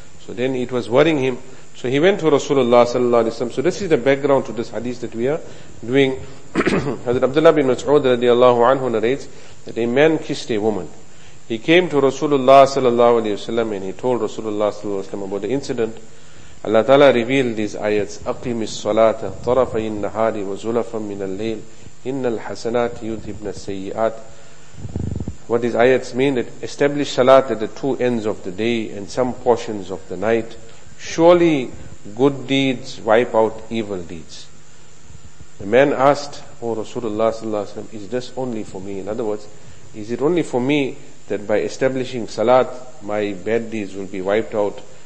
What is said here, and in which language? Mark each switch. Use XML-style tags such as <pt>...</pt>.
<en>So then it was worrying him. So he went to Rasulullah sallallahu alaihi wasallam. So this is the background to this hadith that we are doing. Hazrat Abdullah bin Mas'ud radiallahu anhu narrates that a man kissed a woman. He came to Rasulullah sallallahu alaihi wasallam and he told Rasulullah sallallahu alaihi wasallam about the incident. Allah Ta'ala revealed these ayats,</en> <ar>أَقِمِ الصَّلَاةَ طَرَفَي النَّهَارِ وَزُلَفًا مِنَ الْلَيْلِ إِنَّ الْحَسَنَاتِ يُذْهِبْنَ السَّيِّئَاتِ.</ar> <en>What these ayats mean, that establish salat at the two ends of the day and some portions of the night. Surely good deeds wipe out evil deeds. The man asked, O Rasulullah sallallahu alayhi wa sallam, is this only for me? In other words, is it only for me that by establishing salat, my bad deeds will be wiped out?</en>